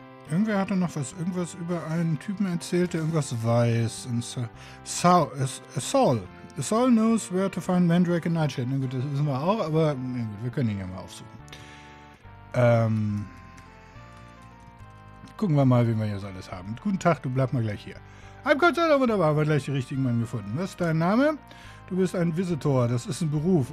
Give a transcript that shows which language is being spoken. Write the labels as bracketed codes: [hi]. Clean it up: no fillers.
[de] Irgendwer hatte noch was, irgendwas über einen Typen erzählt, der irgendwas weiß. Und Saul. [en] Saul knows where to find Mandrake and Nightshade. [de] Na gut, das wissen wir auch, aber wir können ihn ja mal aufsuchen. Gucken wir mal, wen wir jetzt alles haben. Guten Tag, du bleib mal gleich hier. Halb Gott sei Dank, wunderbar, haben wir gleich den richtigen Mann gefunden. Was ist dein Name? Du bist ein Visitor, das ist ein Beruf.